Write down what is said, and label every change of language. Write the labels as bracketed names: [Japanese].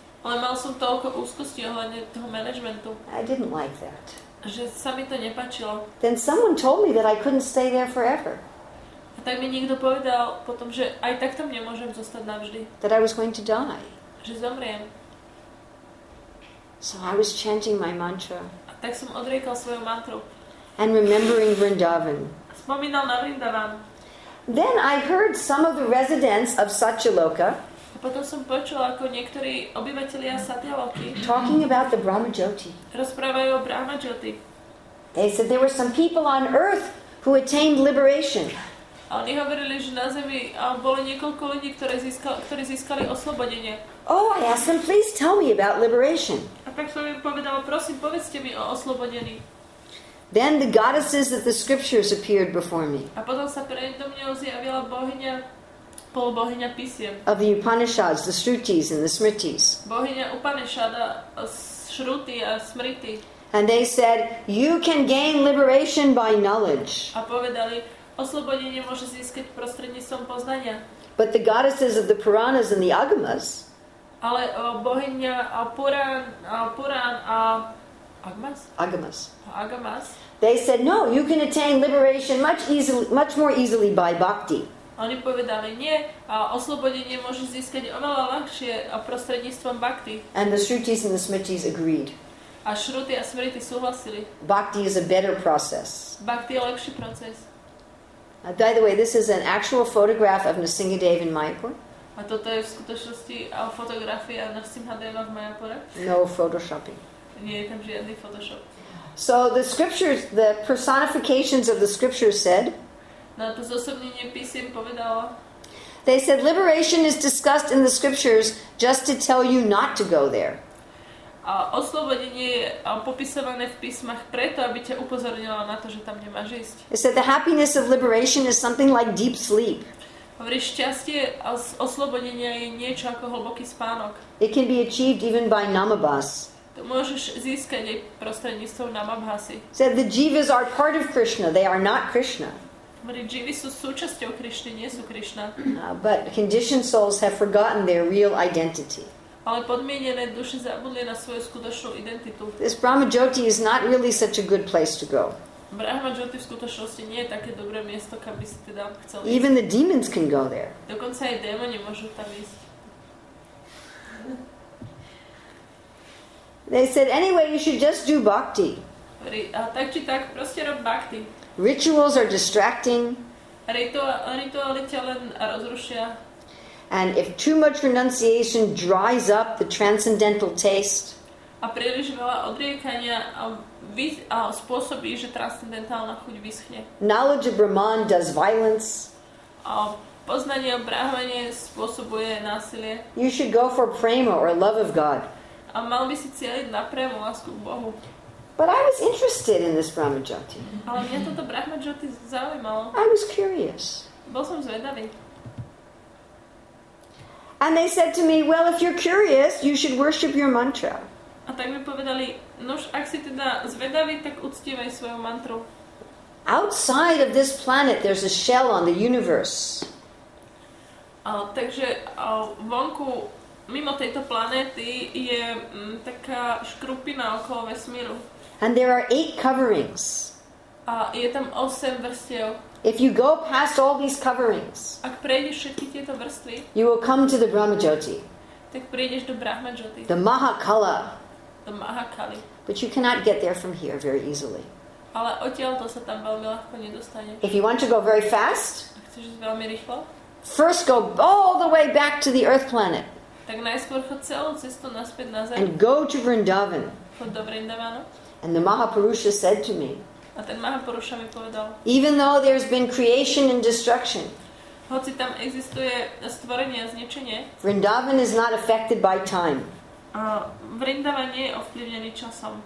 [Slovak] Ale mal som toľko úzkosti ohľadne toho managementu. [English] I didn't like that. [Slovak] Že sa mi to nepáčilo. [English] Then someone told me that I couldn't stay there forever. [Slovak] A tak mi niekto povedal potom, že aj tak tam nemôžem zostať navždy. [English] That I was going to die. [Slovak] Že zomriem. [English] So I was chanting my mantra. [Slovak] A tak som odriekal svoju mantru. [English] And remembering Vrindavan. [Slovak] Spomínal na Vrindavan. [English] Then I heard some of the residents of Satyaloka. [Slovak] A potom som počul, ako niektorí obyvatelia Satyaloky. [English] Talking about the Brahma Jyoti. [Slovak] Rozprávajú o Brahma Jyoti. [English] They said there were some people on earth who attained liberation. [Slovak] A oni hovorili, že na zemi bolo niekoľko ľudí, ktorí získali oslobodenie. [English] Oh, I asked them, please tell me about liberation. [Slovak] A tak som im povedala, prosím, povedzte mi o oslobodení. [English] Then the goddesses of the scriptures appeared before me. [Slovak] A potom sa predo mňou zjavila bohyňa, polbohyňa písiem. [English] Of the Upanishads, the Shrutis and the Smritis. [Slovak] Bohyňa Upanishada, Shruti a Smriti. [English] And they said, you can gain liberation by knowledge. [Slovak] A povedali, oslobodenie môže získať prostredníctvom poznania. [English] But the goddesses of the Puranas and the Agamas, [Slovak] ale bohyňa Puran a Agamas? Agamas. [English] They said, no, you can attain liberation much more easily by bhakti. [Slovak] Oni povedali, nie, oslobodenie môže získať oveľa ľahšie prostredníctvom bhakti. [English] And the Shrutis and the Smritis agreed. [Slovak] A Shruti a Smriti súhlasili. [English] Bhakti is a better process. [Slovak] Bhakti je lepší proces. [English] By the way, this is an actual photograph of Narsingadeva in Mayapur. [Slovak] A toto je v skutočnosti fotografia Narsingadeva v Mayapure. [English] No photoshopping. [Slovak] Nie je tam žiadny Photoshop. [English] So the scriptures, the personifications of the scriptures said, [Slovak] na to zosobnenie písiem povedalo, [English] they said liberation is discussed in the scriptures just to tell you not to go there. [Slovak] A oslobodenie je popisované v písmach preto, aby ťa upozornilo na to, že tam nemáš ísť. [English] It said the happiness of liberation is something like deep sleep. [Slovak] Hovorí, šťastie a oslobodenie je niečo ako hlboký spánok. [English] It can be achieved even by namabhas. [Slovak] To môžeš získať aj prostredníctvom namabhasy. [English] Said the jivas are part of Krishna, they are not Krishna. [Slovak] Hovorí, jivy sú súčasťou Krishna, nie sú Krishna. [English] But conditioned souls have forgotten their real identity. [Slovak] Ale podmienené duše zabudli na svoju skutočnú identitu. [English] This Brahmajyoti is not really such a good place to go. [Slovak] Brahmajyoti v skutočnosti nie je také dobré miesto, kam by si teda chcel ísť. [English] Even the demons can go there. [Slovak] Dokonca aj démoni môžu tam ísť. [English] They said, anyway, you should just do bhakti. [Slovak] A tak či tak, proste rob bhakti. [English] Rituals are distracting. [Slovak] Rituály ťa len rozrušia. [English] And if too much renunciation dries up the transcendental taste, [Slovak] a príliš veľa odriekania spôsobí, že transcendentálna chuť vyschne. [English] Knowledge of Brahman does violence. [Slovak] A poznanie o Brahmane spôsobuje násilie. [English] You should go for prema or love of God. [Slovak] A mal by si cieliť na prému, lásku k Bohu. [English] But I was interested in this Brahmajyoti. [Slovak] Ale mňa toto Brahmajyoti zaujímalo. [English] I was curious. [Slovak] Bol som zvedavý. [English] And they said to me, well, if you're curious, you should worship your mantra. [Slovak] A tak mi povedali, nož, ak si teda zvedavý, tak uctívaj svoju mantru. [English] Outside of this planet, there's a shell on the universe. [Slovak] Vonku, mimo tejto planety, je taká škrupina okolo vesmíru. [English] And there are 8 coverings. [Slovak] A je tam 8 vrstiev. [English] If you go past all these coverings, [Slovak] ak prejdeš všetky tieto vrstvy, [English] you will come to the Brahmajyoti. [Slovak] Tak prejdeš do Brahmajyoti. [English] The Mahakala. The Mahakali. But you cannot get there from here very easily. [Slovak] Ale odtiaľto sa tam veľmi ľahko nedostaneš. [English] If you want to go very fast, [Slovak] a chceš ísť veľmi rýchlo, [English] first go all the way back to the Earth planet. [Slovak] Tak najskôr chod celú cestu naspäť na Zem. [English] And go to Vrindavan. [Slovak] Chod do Vrindavanu. [English] And the Mahapurusha said to me, [Slovak] a ten Mahapurusha mi povedal, [English] even though there's been creation and destruction, [Slovak] hoci tam existuje stvorenie a zničenie, [English] Vrindavan is not affected by time. [Slovak] A Vrindavan nie je ovplyvnený časom.